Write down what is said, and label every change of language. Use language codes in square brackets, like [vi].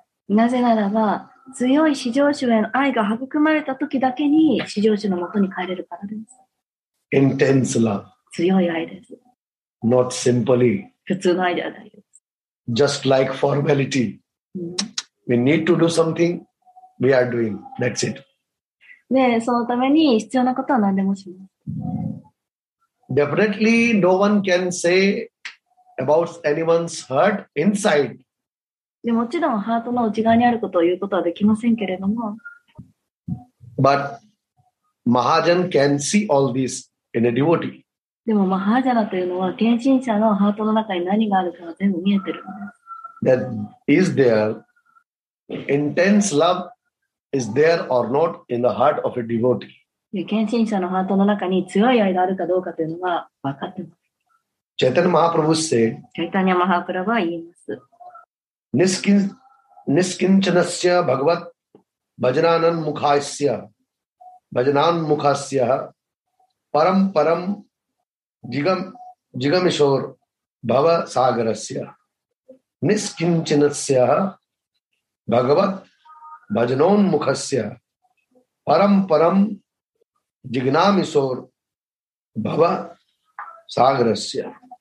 [ja] なぜならば、強い至上主への愛が育まれた時だけに至上主のもとに帰れるからです。 [en] Intense love. [ja] 強い愛です。 [en] Not simply. [ja] 普通の愛ではないです。 [en] Just like formality.、 Mm-hmm. We need to do something, we are doing. That's it. [ja] で、そのために必要なことは何でもします。 [en] Definitely no one can say about anyone's heart inside. [ja] でもちろんハートの内側にあることを言うことはできませんけれども。 [en] But Mahajan can see all this in a devotee. [ja] でもマハジャナというのは献身者のハートの中に何があるかが全部見えてる。 [en] That is there intense love is there or not in the heart of a devotee. [ja] で献身者のハートの中に強い愛があるかどうかというのは分かってます。 [en] Chaitanya Mahaprabhu said. [ja] Chaitanya Mahaprabhu は言います。 [sa] Niskinchanasya Bhagavat Bhajanan Mukhasya Bhajanan Mukhasya Param Param Jigamishor Bhava Sagarasya Niskinchanasya Bhagavat Bhajanan Mukhasya Param Param Jigamishor Bhava Sagarasya.